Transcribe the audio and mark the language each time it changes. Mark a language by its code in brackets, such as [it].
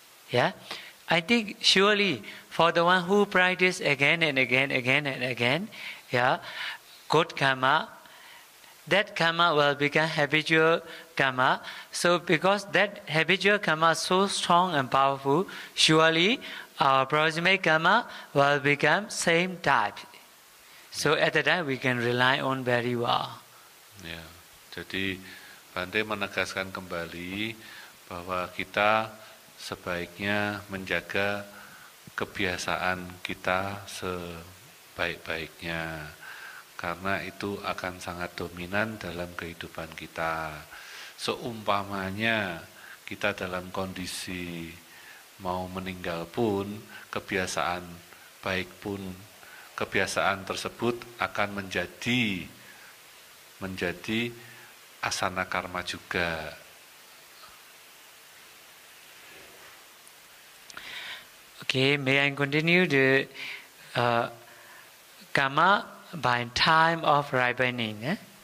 [en] Yeah, I think surely for the one who practice again and again, again and again, yeah, good karma, that karma will become habitual karma. So because that habitual karma is so strong and powerful, surely our proximate karma will become same type. So at the time we can rely on very well. [id] Ya, jadi Bante menegaskan kembali bahwa kita sebaiknya menjaga kebiasaan kita sebaik-baiknya, karena itu akan sangat dominan dalam kehidupan kita. Seumpamanya kita dalam kondisi mau meninggal pun, kebiasaan baik pun, kebiasaan tersebut akan menjadi asana karma juga. [en] Okay, may I continue the karma by time of ripening?